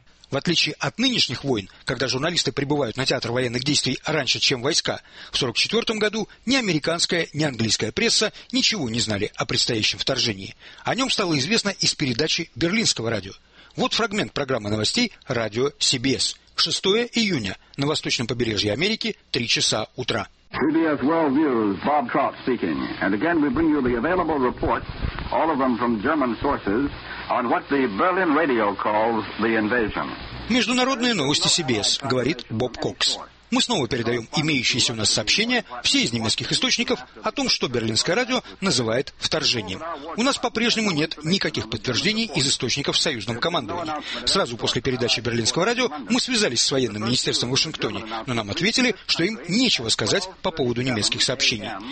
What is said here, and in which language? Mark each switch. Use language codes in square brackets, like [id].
[ru] В отличие от нынешних войн, когда журналисты прибывают на театр военных действий раньше, чем войска, в 44-м году ни американская, ни английская пресса ничего не знали о предстоящем вторжении. О нем стало известно из передачи берлинского радио. Вот фрагмент программы новостей радио CBS. 6 июня. На восточном побережье Америки 3 часа утра. [en] CBS World News, Bob Trout speaking. And again we bring you the available report all of them from German sources, on what the Berlin radio calls the invasion. [ru] Международные новости CBS, говорит Боб Кокс. Мы снова передаем имеющиеся у нас сообщения, все из немецких источников, о том, что берлинское радио называет вторжением. У нас по-прежнему нет никаких подтверждений из источников в союзном командовании. Сразу после передачи берлинского радио мы связались с военным министерством в Вашингтоне, но нам ответили, что им нечего сказать по поводу немецких сообщений.